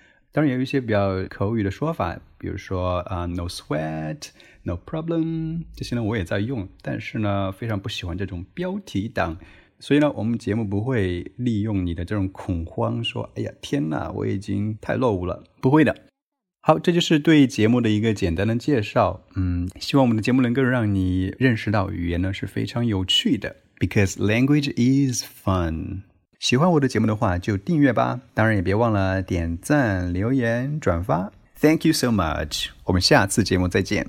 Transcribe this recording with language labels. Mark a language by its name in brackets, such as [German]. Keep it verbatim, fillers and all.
[Chinese] 当然也有一些比较口语的说法，比如说、uh, [English] No sweat, no problem， [Chinese] 这些呢我也在用，但是呢非常不喜欢这种标题党。所以呢我们节目不会利用你的这种恐慌说，哎呀天哪，我已经太落伍了，不会的。好，这就是对节目的一个简单的介绍。嗯，希望我们的节目能够让你认识到语言呢是非常有趣的。 [English] Because language is fun. [Chinese] 喜欢我的节目的话就订阅吧，当然也别忘了点赞、留言、转发。 [English] Thank you so much. [Chinese] 我们下次节目再见。